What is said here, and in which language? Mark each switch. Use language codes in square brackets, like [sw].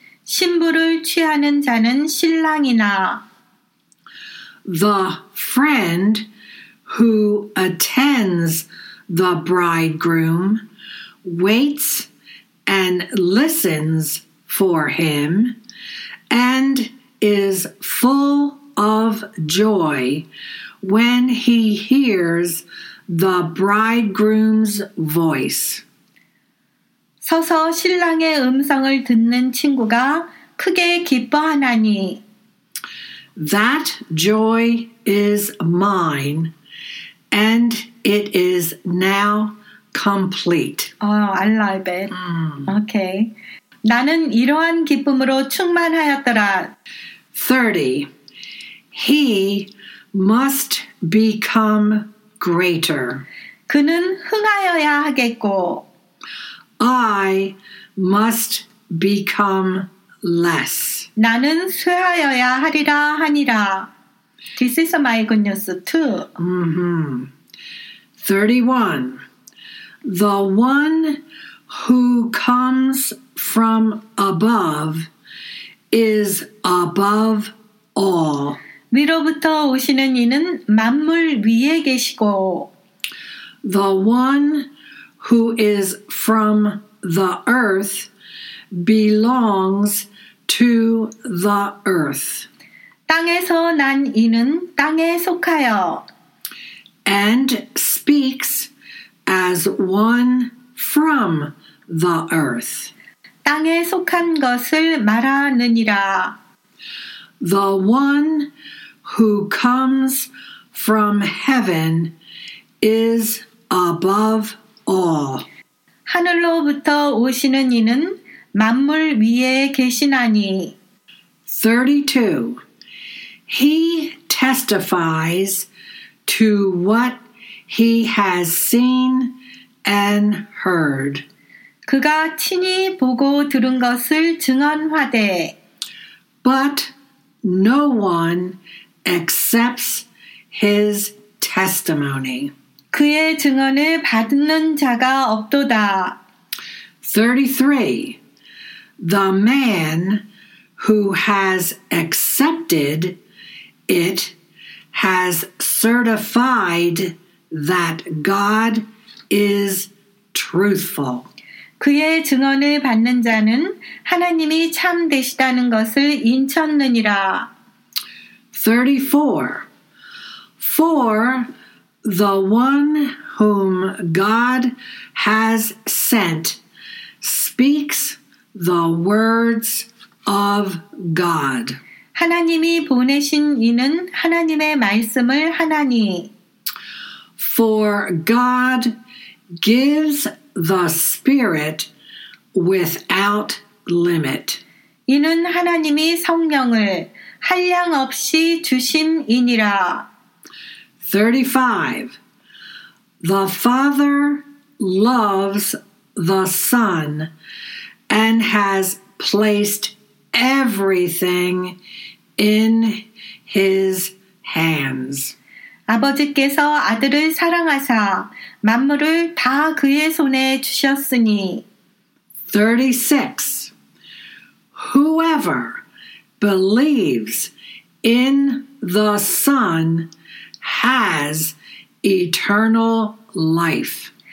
[ko] 신부를 취하는 자는 신랑이나, [en] The friend who attends the bridegroom waits and listens for him and is full of joy when he hears the bridegroom's voice. [ko] 서서 신랑의 음성을 듣는 친구가 크게 기뻐하나니, [en] That joy is mine and it is now complete. Oh, I like it. Okay. [ko] 나는 이러한 기쁨으로 충만하였더라. [en] 30. He must become greater. [ko] 그는 흥하여야 하겠고. [en] I must become less. [ko] 나는 쇠하여야 하리라 하니라. [en] This is my goodness too. Mm-hmm. 31. The one who comes from above is above all. [ko] 위로부터 오시는 이는 만물 위에 계시고. [en] The one who is from the earth belongs to the earth. [ko] 땅에서 난 이는 땅에 속하여. [en] And speaks as one from the earth. [ko] 땅에 속한 것을 말하느니라. [en] The one who comes from heaven is above all. [ko] 하늘로부터 오시는 이는 만물 위에 계시나니. [en] 32. He testifies to what he has seen and heard. [ko] 그가 친히 보고 들은 것을 증언하되. [en] But no one accepts his testimony. [ko] 그의 증언을 받는 자가 없도다. [en] 33. The man who has accepted it has certified that God is truthful. [ko] 그의 증언을 받는 자는 하나님이 참되시다는 것을 인쳤느니라. [en] 34. For the one whom God has sent speaks the words of God. [ko] 하나님이 보내신 이는 하나님의 말씀을 하나니. [en] For God gives the Spirit without limit. [ko] 이는 하나님이 성령을 한량 없이 주심이니라. [en] 35. The Father loves the Son and has placed everything in His hands. [ko] 아버지께서 아들을 사랑하사 만물을 다 그의 손에 주셨으니. [en] 36. Whoever believes in the Son has eternal life.